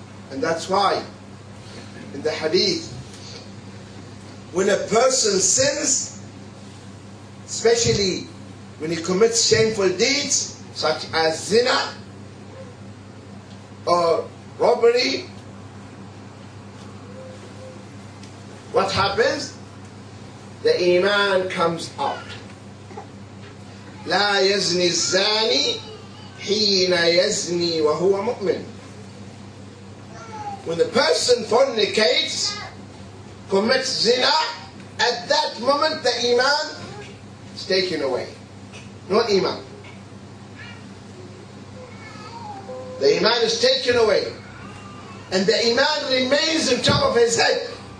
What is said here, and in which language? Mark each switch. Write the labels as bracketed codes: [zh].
[en] And that's why in the hadith, when a person sins, especially when he commits shameful deeds such as zina or robbery, what happens? The iman comes out. [ar] لا يزني الزاني حين يزني وهو مؤمن. [en] When the person fornicates, commits zina, at that moment the iman is taken away. No iman. The iman is taken away. And the iman remains on top of his head.